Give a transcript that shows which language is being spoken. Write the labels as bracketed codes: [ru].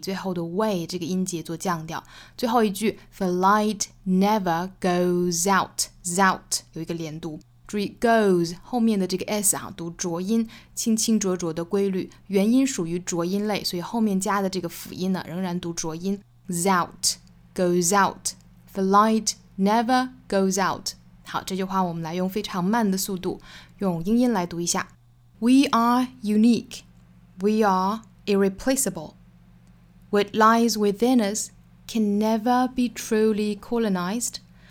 [zh] 最后的 way 这个音节做降调。最后一句 ， [en] the light never goes out。 [zh] Out 有一个连读，注意 goes 后面的这个 s 啊，读浊音，清清浊浊的规律，元音属于浊音类，所以后面加的这个辅音呢，仍然读浊音。 [en] Out goes out, the light never goes out. [zh] 好，这句话我们来用非常慢的速度，用英音来读一下。 [en] We are unique, we are irreplaceable. What lies within us can never be truly colonized.